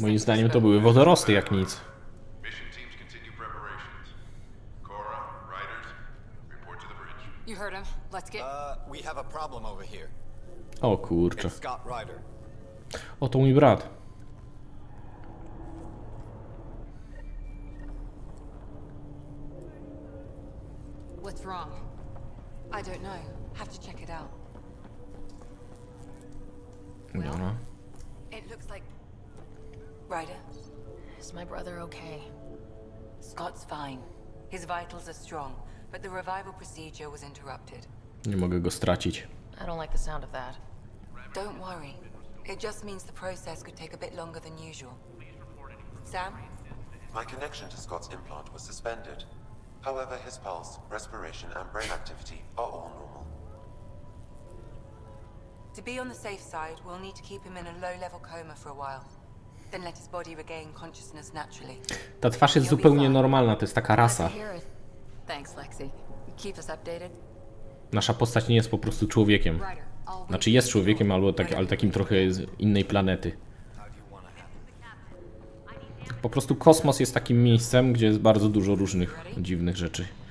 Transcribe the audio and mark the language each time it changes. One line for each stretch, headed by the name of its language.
Polish: Moim zdaniem to były wodorosty jak nic.
English: Mission teams continue preparations. Cora, riders, report to the bridge. You heard him. Let's get... We have a problem over here.
Polish: O kurczę.
English: It's Scott Ryder.
Polish: Oto mój brat.
English: What's wrong? I don't know. Have to check it out. Well, it looks like... Ryder? Is my brother okay? Scott's fine. His vitals are strong, but the revival procedure was interrupted.
Polish: Nie mogę go stracić.
English: I don't like the sound of that. Don't worry. It just means the process could take a bit longer than usual. Sam? My connection to Scott's implant was suspended. However, his pulse, respiration, and brain activity are all normal. To be on the safe side, we'll need to keep him in a low-level coma for a while. Then let his body regain consciousness naturally.
Polish: Ta twarz jest zupełnie normalna, to jest taka rasa.
English: Thanks, Lexi. Keep us updated.
Polish: Nasza postać nie jest po prostu człowiekiem. Znaczy jest człowiekiem, ale takim trochę z innej planety. Po prostu kosmos jest takim miejscem, gdzie jest bardzo dużo różnych dziwnych rzeczy.